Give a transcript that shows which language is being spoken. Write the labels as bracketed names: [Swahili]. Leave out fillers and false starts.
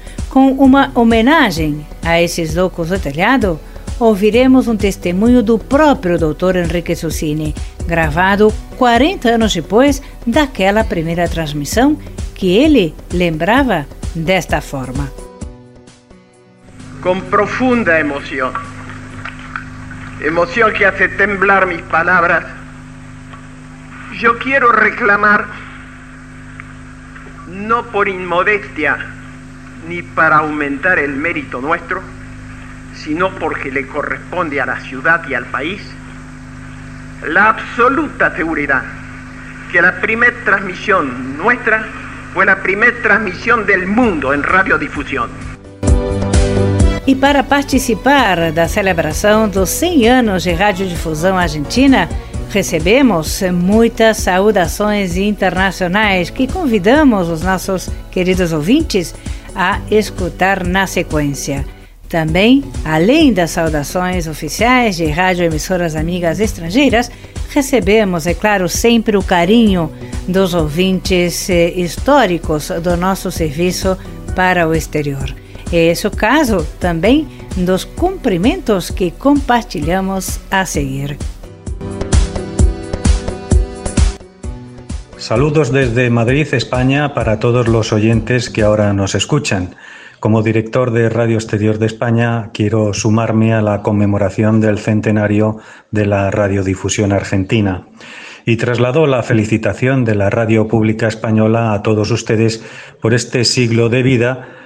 [Portuguese] Com uma homenagem a esses Loucos do Telhado, ouviremos um testemunho do próprio Dr. Henrique Susini, gravado 40 anos depois daquela primeira transmissão, que ele lembrava desta forma. [Spanish] Com profunda emoção, emoção que hace temblar mis palabras, yo quiero reclamar, no por inmodestia ni para aumentar el mérito nuestro, sino porque le corresponde a la ciudad y al país, la absoluta seguridad que la primera transmisión nuestra fue la primera transmisión del mundo en radiodifusión. [Portuguese] E para participar da celebração dos 100 anos de radiodifusão argentina, recebemos muitas saudações internacionais que convidamos os nossos queridos ouvintes a escutar na sequência. Também, além das saudações oficiais de radioemissoras amigas estrangeiras, recebemos, é claro, sempre o carinho dos ouvintes históricos do nosso serviço para o exterior. Esse é o caso também dos cumprimentos que compartilhamos a seguir. [Spanish] Saludos desde Madrid, España, para todos los oyentes que ahora nos escuchan. Como director de Radio Exterior de España, quiero sumarme a la conmemoración del centenario de la radiodifusión argentina. Y traslado la felicitación de la radio pública española a todos ustedes por este siglo de vida.